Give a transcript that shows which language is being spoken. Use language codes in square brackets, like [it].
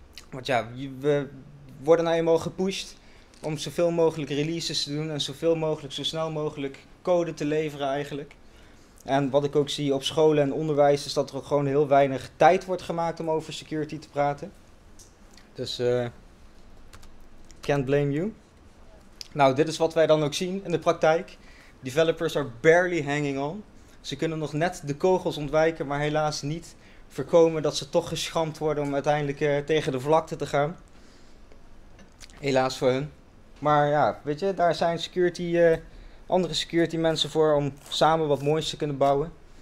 [nl] Want ja, we worden nou eenmaal gepusht. Om zoveel mogelijk releases te doen en zoveel mogelijk, zo snel mogelijk code te leveren eigenlijk. En wat ik ook zie op scholen en onderwijs is dat er ook gewoon heel weinig tijd wordt gemaakt om over security te praten. Dus, [en] can't blame you. [nl] Nou, dit is wat wij dan ook zien in de praktijk. [en] Developers are barely hanging on. [nl] Ze kunnen nog net de kogels ontwijken, maar helaas niet voorkomen dat ze toch geschampt worden om uiteindelijk tegen de vlakte te gaan. Helaas voor hun. Maar ja, weet je, daar zijn security, andere security mensen voor om samen wat moois te kunnen bouwen.